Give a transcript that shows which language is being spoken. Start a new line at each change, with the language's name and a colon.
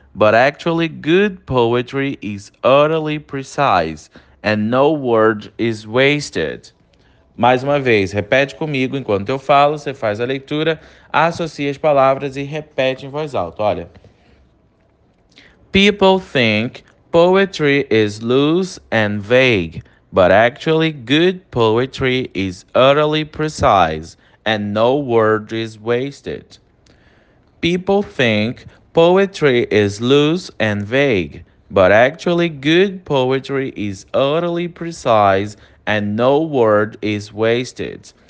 English: But actually, good poetry is utterly precise, and no word is wasted.
Portuguese: Mais uma vez, repete comigo enquanto eu falo, você faz a leitura, associa as palavras e repete em voz alta. Olha.
English: People think poetry is loose and vague, but actually good poetry is utterly precise and no word is wasted. People think poetry is loose and vague, but actually good poetry is utterly precise and no word is wasted.